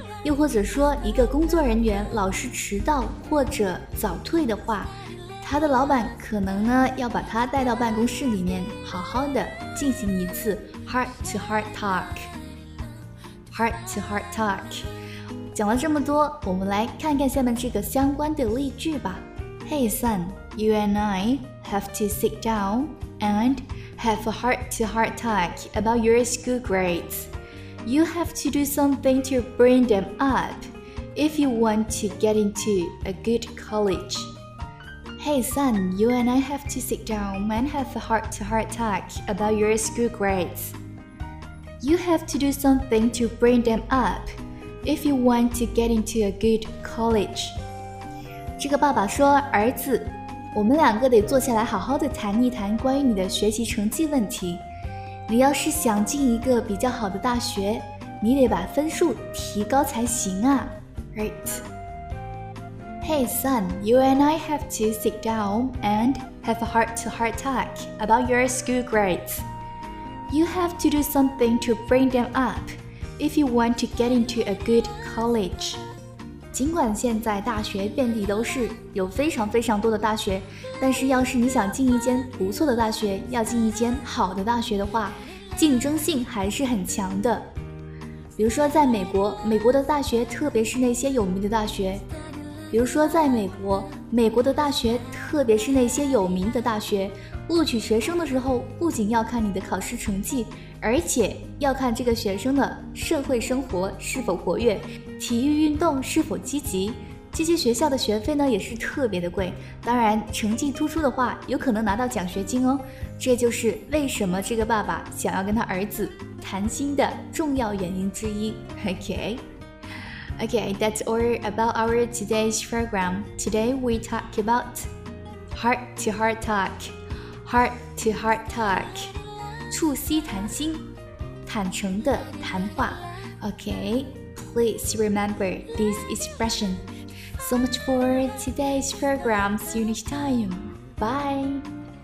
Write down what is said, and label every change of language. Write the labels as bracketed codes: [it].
[zh] 又或者说，一个工作人员老是迟到或者早退的话，他的老板可能呢要把他带到办公室里面好好的进行一次 heart to heart talk， heart to heart talk。讲了这么多，我们来看看下面这个相关的例句吧。 [en] Hey son, you and I have to sit down and have a heart to heart talk about your school grades. You have to do something to bring them up if you want to get into a good collegeHey son, you and I have to sit down and have a heart-to-heart talk about your school grades. You have to do something to bring them up if you want to get into a good college. [zh] 这个爸爸说，儿子，我们两个得坐下来好好的谈一谈关于你的学习成绩问题。你要是想进一个比较好的大学，你得把分数提高才行啊。 [en] Right. Hey son, you and I have to sit down and have a heart-to-heart talk about your school grades. You have to do something to bring them up if you want to get into a good college. [zh] 尽管现在大学遍地都是，有非常非常多的大学，但是要是你想进一间不错的大学，要进一间好的大学的话，竞争性还是很强的。比如说在美国，美国的大学特别是那些有名的大学，比如说在美国，美国的大学特别是那些有名的大学，录取学生的时候不仅要看你的考试成绩，而且要看这个学生的社会生活是否活跃，体育运动是否积极。这些学校的学费呢也是特别的贵，当然成绩突出的话有可能拿到奖学金哦。这就是为什么这个爸爸想要跟他儿子谈心的重要原因之一。 [en] OK。 Okay, that's all about our today's program. Today we talk about heart-to-heart talk. [zh] Heart-to-heart talk. 促膝谈心，坦诚的谈话。 [en] Okay, please remember this expression. So much for today's program. See you next time. Bye!